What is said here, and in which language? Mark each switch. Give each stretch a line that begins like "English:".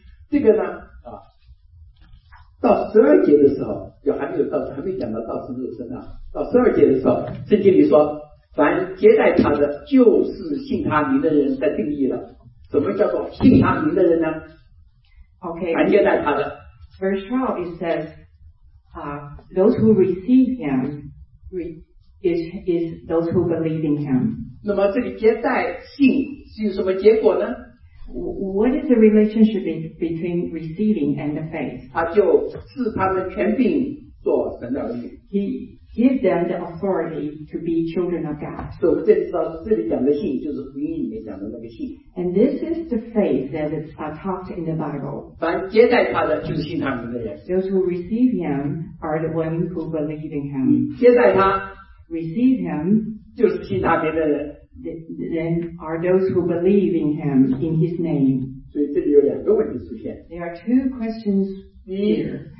Chinese: 这个呢，到十二节的时候，就还没有到，还没讲到到十六章呢。到十二节的时候，圣经里说，凡接待他的，就是信他名的人，在定义了。什么叫做信他名的人呢？
English: Okay.
Chinese: 凡接待他的。
English: Verse 12 it says, those who receive him is those who believe in him.
Chinese: 那么这里接待信是什么结果呢？
English: What is the relationship between receiving and the faith?
Chinese: 他就赐他们权柄做神的儿女。
English: He gives them the authority to be children of God.
Chinese: 所以我们这里讲的信就是福音里面讲的那个信。
English: And this is the faith that is talked in the Bible.
Chinese: 凡接待他的就是信他们的人。
English: Those who receive him are the ones who believe in him.
Chinese: 接待他,
English: receive him
Chinese: 就是信他们的人。
English: Then are those who believe in him, in his name. There are two questions here.